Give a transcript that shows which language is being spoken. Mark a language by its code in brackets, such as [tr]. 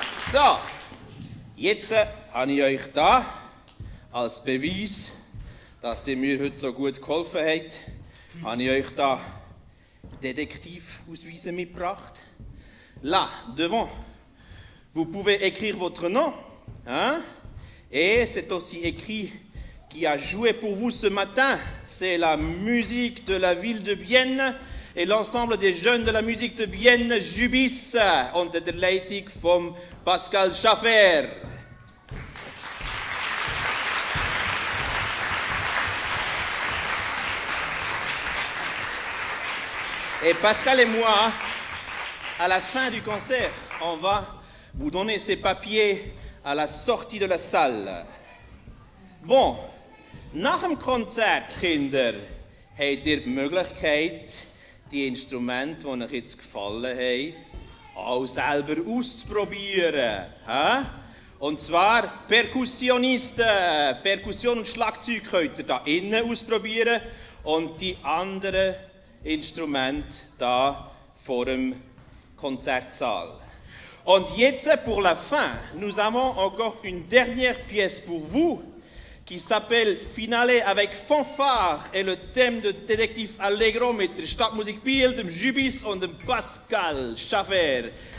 [de] So, jetzt habe ich euch da als Beweis, dass ihr mir heute so gut geholfen habt, habe ich euch da Detektivausweise mitgebracht. [fr] Là, devant, vous pouvez écrire votre nom, hein? Et c'est aussi écrit qui a joué pour vous ce matin. C'est la musique de la ville de Vienne et l'ensemble des jeunes de la musique de Vienne jubissent [de] unter der Leitung vom Pascal Schaffer. [fr] Et Pascal et moi, à la fin du concert, on va vous donner ces papiers à la sortie de la salle. [de] Bon, nach dem Konzert, Kinder, habt ihr die Möglichkeit, die Instrumente, die euch jetzt gefallen haben, auch selber auszuprobieren. Hä? Und zwar Perkussionisten. Perkussion und Schlagzeug könnt ihr da innen ausprobieren und die anderen Instrumente da vor dem Konzertsaal. Und jetzt, [fr] pour la fin, nous avons encore une dernière pièce pour vous, qui s'appelle Finale avec fanfare et le thème de Detective Allegro [de] mit der Stadtmusikbild, dem Jubis und dem Pascal Schaffer.